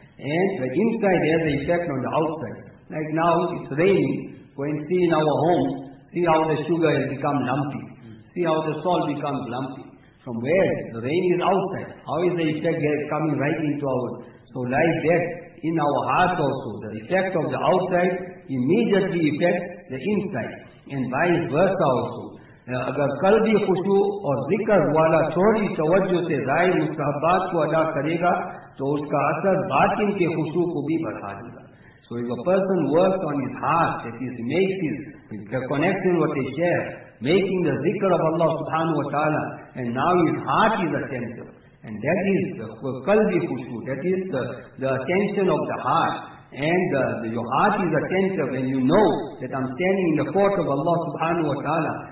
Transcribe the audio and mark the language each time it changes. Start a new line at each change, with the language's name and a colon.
English: And the inside has an effect on the outside. Like now it's raining, go and see in our home, see how the sugar has become lumpy. See how the salt becomes lumpy. From where? The rain is outside. How is the effect coming right into our... So like that, in our heart also, the effect of the outside immediately affects the inside. And vice versa also.
Urdu: اگر قلبی خشوع اور ذکر والا چھوڑی توجہ سے ظاہر مستحبات کو ادا کرے گا تو اس کا اثر باطن کے خشوع کو بھی بڑھا دے گا.
English: So if a person works on his heart, that is, makes his connection with his share, making the ذکر of Allah subhanahu wa ta'ala, and now his heart is attentive, and that is the قلبی خشوع, that is the attention of the heart, and your heart is attentive and you know that I'm standing in the court of Allah subhanahu wa ta'ala.